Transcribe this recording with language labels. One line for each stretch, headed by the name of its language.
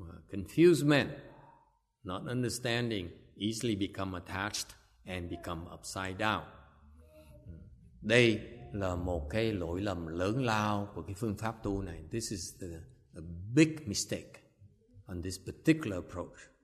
English: Confused men, not understanding, easily become attached and become upside down.
Vietnamese: Đây là một cái lỗi lầm lớn lao của cái phương pháp tu này.
English: This is a big mistake on this particular approach.